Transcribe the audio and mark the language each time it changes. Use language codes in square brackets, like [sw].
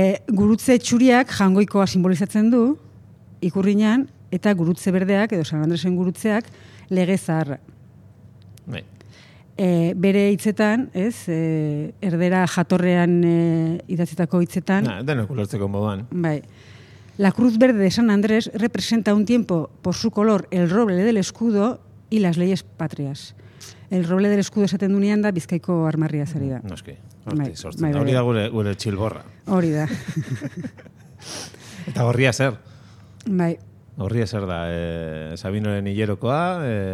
[eu] gurutze txuriak jangoikoa simbolizatzen du, ikurriñan, eta gurutze berdeak, edo San Andresen gurutzeak, lege zaharra. Bai. Bere hitzetan, ez, erdera jatorrean idatzetako hitzetan. Na, denok ulertzeko moduan. Bai. [es] La Cruz Verde de San Andrés representa un tiempo por su color el roble del escudo y las leyes patrias. [eu] El roble del escudo esaten dunean da Bizkaiko armarria zari da. Noski, hori da gure txilborra. Hori da. Eta gorria zer? Bai. Gorria zer da, Sabinoren hilerokoa.